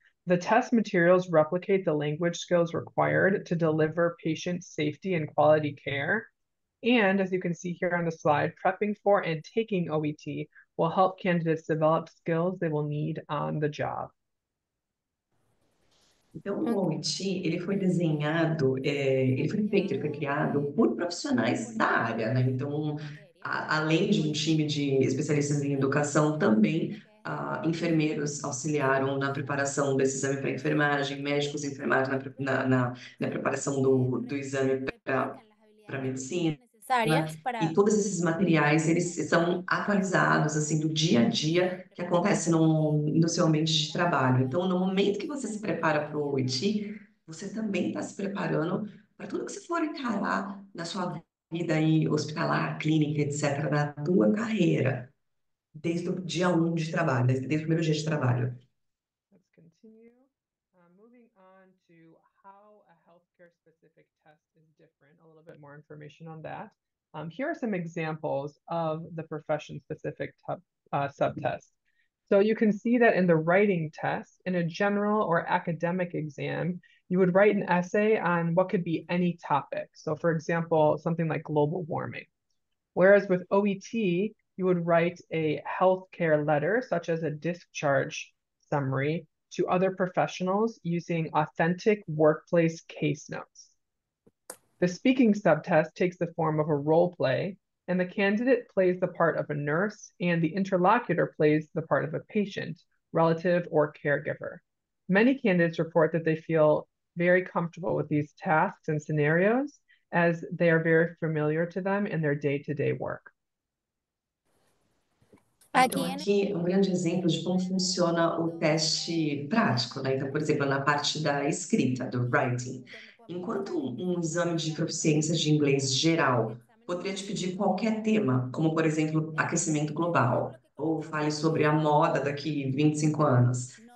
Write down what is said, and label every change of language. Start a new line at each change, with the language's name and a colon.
English: The test materials replicate the language skills required to deliver patient safety and quality care. And as you can see here on the slide, prepping for and taking OET will help candidates develop skills they will need on the job.
Portuguese: Então, o OIT, ele foi desenhado, ele foi feito, foi criado por profissionais da área, né? Então, além de um time de especialistas em educação, também enfermeiros auxiliaram na preparação desse exame para enfermagem, médicos enfermeiros na preparação do exame para medicina, né? Necessárias E para todos esses materiais, eles são atualizados, assim, do dia a dia que acontece no seu ambiente de trabalho. Então, no momento que você se prepara para o OIT, você também está se preparando para tudo que você for encarar na sua vida aí, hospitalar, clínica, etc., na tua carreira, desde o dia 1 de trabalho, desde o primeiro dia de trabalho.
English: Continue. Moving on to how a healthcare-specific test is different, a little bit more information on that. Here are some examples of the profession-specific subtests. So you can see that in the writing test, in a general or academic exam, you would write an essay on what could be any topic. So, for example, something like global warming. Whereas with OET, you would write a healthcare letter, such as a discharge summary, to other professionals using authentic workplace case notes. The speaking subtest takes the form of a role play, and the candidate plays the part of a nurse, and the interlocutor plays the part of a patient, relative, or caregiver. Many candidates report that they feel very comfortable with these tasks and scenarios, as they are very familiar to them in their day-to-day work.
Portuguese: Então, aqui um grande exemplo de como funciona o teste prático, né? Então, por exemplo, na parte da escrita, do writing. Enquanto um exame de proficiência de inglês geral poderia te pedir qualquer tema, como, por exemplo, aquecimento global, ou fale sobre a moda daqui 25 anos.